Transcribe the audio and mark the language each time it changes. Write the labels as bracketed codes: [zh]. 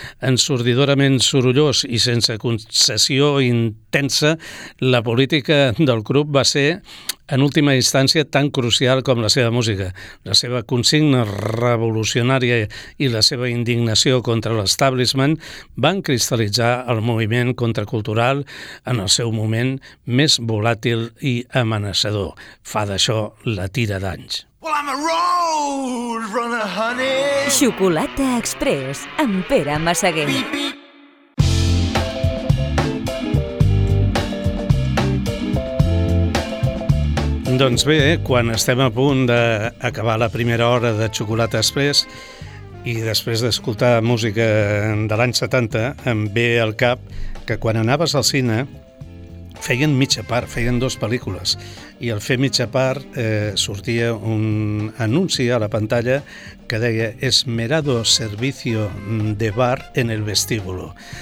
[ca] Ensordidorament sorollós i sense concessió intensa, la política del grup va ser, en última instància, tan crucial com la seva música. La seva consigna revolucionària i la seva indignació contra l'establishment van cristal·litzar el moviment contracultural en el seu moment més volàtil i amenaçador. Fa d'això la tira d'anys. [en] Well, I'm a road runner, honey. [ca] Xocolata Express, amb Pere Massaguer. Beep, beep. Doncs bé, quan estem a punt d'acabar la primera hora de Xocolata Express i després d'escoltar música de l'any 70, em ve al cap que quan anaves al cine feien mitja part, feien dues pel·lícules, i al fer mitja part sortia un anunci a la pantalla que deia Esmerado Servicio de Bar en el Vestíbulo.